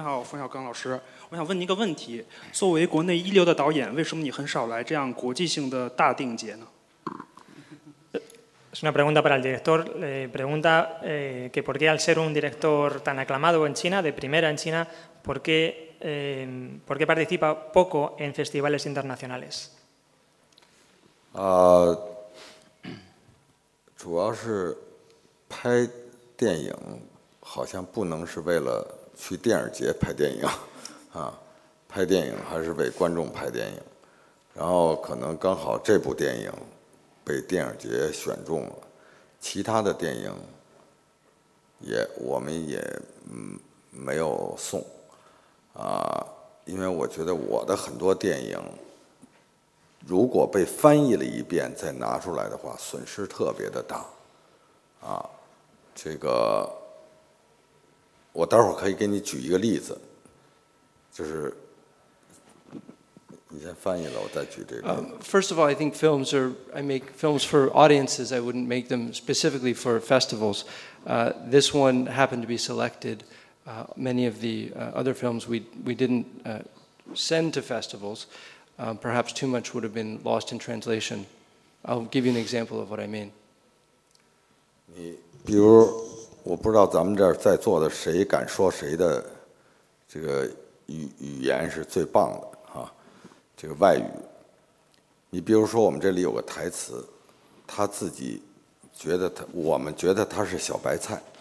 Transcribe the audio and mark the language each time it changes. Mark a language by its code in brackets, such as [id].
[zh] 好冯小刚老师，我想问您一个问题，作为国内一流的导演，为什么你很少来这样国际性的大电影节呢？ [es] Es una pregunta para el director. Le pregunta que por qué al ser un director tan aclamado en China, de primera en China, por qué participa poco en festivales internacionales. [zh] 主要是拍电影好像不能是为了去电影节拍电影啊，拍电影还是为观众拍电影，然后可能刚好这部电影被电影节选中了，其他的电影也我们也没有送啊，因为我觉得我的很多电影如果被翻译了一遍再拿出来的话损失特别的大啊，这个我待会儿可以给你举一个例子，就是你先翻译了我再举这个。 [en] First of all, I think films are, I make films for audiences. I wouldn't make them specifically for festivals. This one happened to be selected. Many of the other films we didn't send to festivals. Perhaps too much would have been lost in translation. I'll give you an example of what I mean. [zh] 你比如我不知道咱们这儿在座的谁敢说谁的这个语言是最棒的啊，这个外语，你比如说我们这里有个台词，他自己觉得我们觉得他是小白菜，